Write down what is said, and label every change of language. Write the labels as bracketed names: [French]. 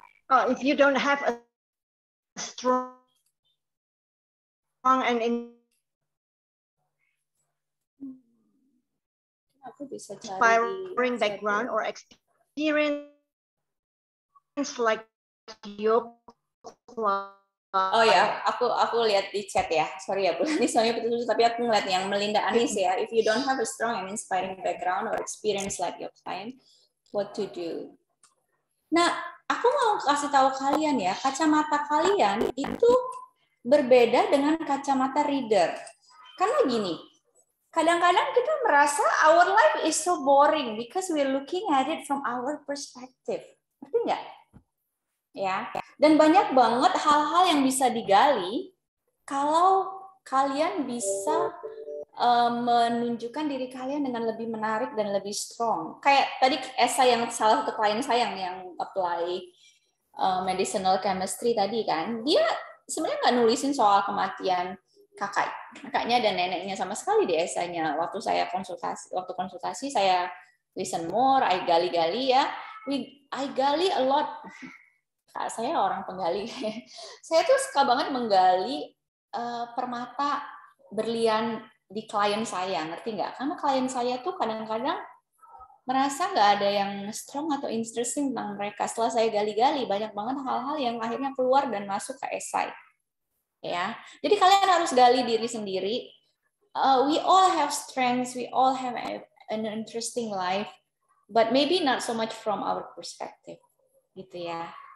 [English] Oh, if you don't have a strong and inspiring background or experience like your client. [Indonesian] Oh ya, aku lihat di chat ya. Sorry ya, Bu Lani, suaranya keputus, tapi aku ngeliat yang Melinda Anis ya. [English] If you don't have a strong and inspiring background or experience like your client, what to do. [Indonesian] Nah, aku mau kasih tahu kalian ya, kacamata kalian itu berbeda dengan kacamata reader. Karena gini, kadang-kadang kita merasa [English] our life is so boring because we're looking at it from our perspective. [Indonesian] Ngerti nggak? Ya. Dan banyak banget hal-hal yang bisa digali kalau kalian bisa menunjukkan diri kalian dengan lebih menarik dan lebih strong. Kayak tadi esai yang salah satu klien saya yang apply medicinal chemistry tadi kan, dia sebenarnya nggak nulisin soal kematian kakaknya dan neneknya sama sekali di esainya. Waktu konsultasi saya [English] listen more, [Indonesian] I gali-gali ya. I gali a lot. Saya orang penggali. Saya tuh suka banget menggali permata berlian di klien saya, ngerti nggak? Karena klien saya tuh kadang-kadang merasa nggak ada yang strong atau interesting tentang mereka. Setelah saya gali-gali, banyak banget hal-hal yang akhirnya keluar dan masuk ke esai. Ya, jadi kalian harus gali diri sendiri. [English] We all have strengths, we all have an interesting life, but maybe not so much from our perspective, [Indonesian] gitu ya.